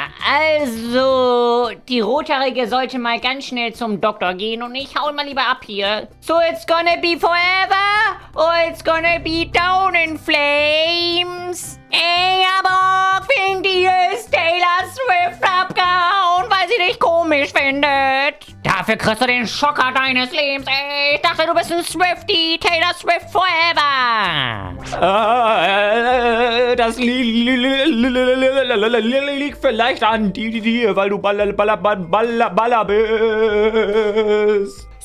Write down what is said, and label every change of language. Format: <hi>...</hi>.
<de>Also, die Rothaarige sollte mal ganz schnell zum Doktor gehen und ich hau mal lieber ab hier.</de> <en>So, it's gonna be forever or it's gonna be down in flames.</en> <de>Ey, aber wegen dir ist Taylor Swift abgehauen, weil sie dich komisch findet. Dafür kriegst du den Schocker deines Lebens, ey. Ich dachte, du bist ein Swiftie, Taylor Swift forever. Das liegt vielleicht an dir, weil du Baller bist.</de>